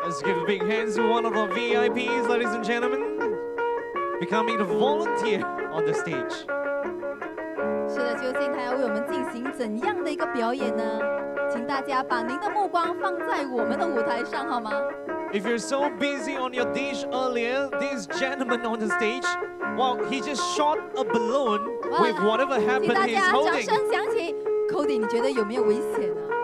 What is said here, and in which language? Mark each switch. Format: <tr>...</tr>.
<en>a big hand to one of our VIPs, ladies and gentlemen, becoming a volunteer on the stage.</en> <zh>是的，究竟他要为我们进行怎样的一个表演呢？请大家把您的目光放在我们的舞台上，好吗</zh> <en>？If you're so busy on your dish earlier, this gentleman on the stage, well, he just shot a balloon with whatever happened he's holding.</en> <zh>请大家掌声响起 ，Cody， 你觉得有没有危险呢</zh>